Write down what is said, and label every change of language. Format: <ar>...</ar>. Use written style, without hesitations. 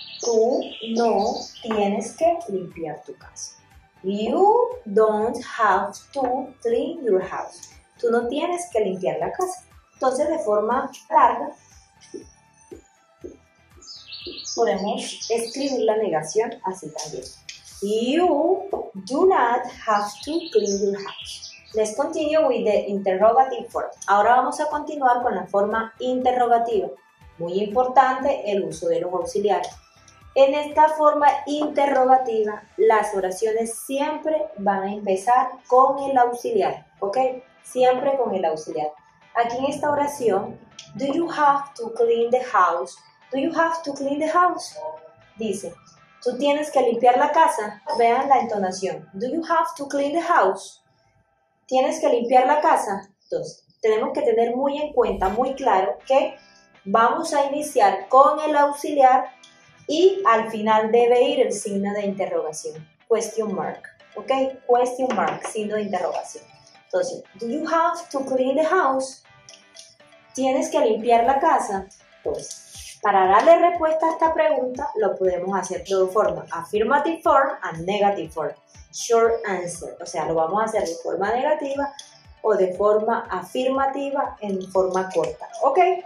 <es>Tú no tienes que limpiar tu casa.</es> <en>You don't have to clean your house.</en> <es>Tú no tienes que limpiar la casa. Entonces, de forma larga, podemos escribir la negación así también.</es> <en>You do not have to clean your house. Let's continue with the interrogative form.</en> <es>Ahora vamos a continuar con la forma interrogativa. Muy importante el uso de los auxiliares. En esta forma interrogativa, las oraciones siempre van a empezar con el auxiliar, ¿ok? Siempre con el auxiliar. Aquí en esta oración,</es> <en>do you have to clean the house? Do you have to clean the house?</en> <es>Dice, tú tienes que limpiar la casa. Vean la entonación.</es> <en>Do you have to clean the house?</en> <es>¿Tienes que limpiar la casa? Entonces, tenemos que tener muy en cuenta, muy claro, que vamos a iniciar con el auxiliar y al final debe ir el signo de interrogación.</es> <en>Question mark. ¿Ok? Question mark,</en> <es>signo de interrogación.</es> <en>Entonces, do you have to clean the house?</en> <es>¿Tienes que limpiar la casa? Pues, para darle respuesta a esta pregunta, lo podemos hacer de dos formas.</es> <en>Affirmative form and negative form. Short answer,</en> <es>o sea, lo vamos a hacer de forma negativa o de forma afirmativa en forma corta, ¿ok?</es>